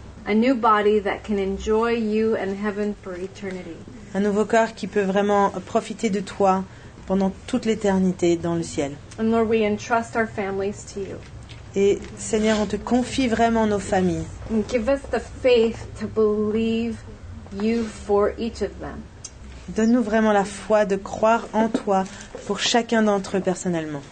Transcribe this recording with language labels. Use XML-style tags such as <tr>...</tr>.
<en>A new body that can enjoy you and heaven for eternity.</en> <fr>Un nouveau corps qui peut vraiment profiter de toi pendant toute l'éternité dans le ciel.</fr> <en>And Lord, we entrust our families to you.</en> <fr>Et Seigneur, on te confie vraiment nos familles.</fr> <en>And give us the faith to believe you for each of them.</en> <fr>Donne-nous vraiment la foi de croire en toi pour chacun d'entre eux personnellement.</fr>